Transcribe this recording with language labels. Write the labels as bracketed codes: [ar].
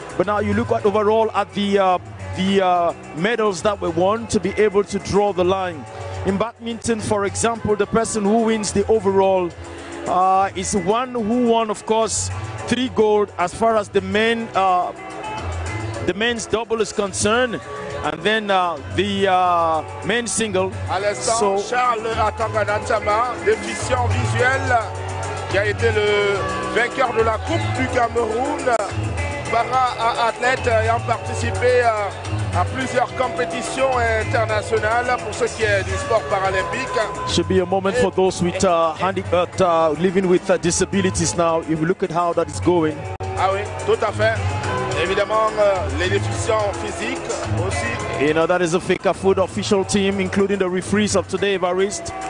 [en] But now you look at overall at the medals that were won to be able to draw the line. In badminton, for example, the person who wins the overall is one who won, of course, 3 gold as far as the men. The men's double is concerned, and then the men's single. [fr] À l'instant, so, Charles Atanganatama, déficient visuel, qui a été le vainqueur de la Coupe du Cameroun, para-athlète ayant participé à plusieurs compétitions internationales pour ce qui est du sport paralympique. [en] Should be a moment for those with living with disabilities now, if you look at how that is going. [fr] Ah oui, tout à fait. Évidemment, les déficients physiques aussi. [en] You know, that is the Fekafoot official team, including the referees of today, Evariste.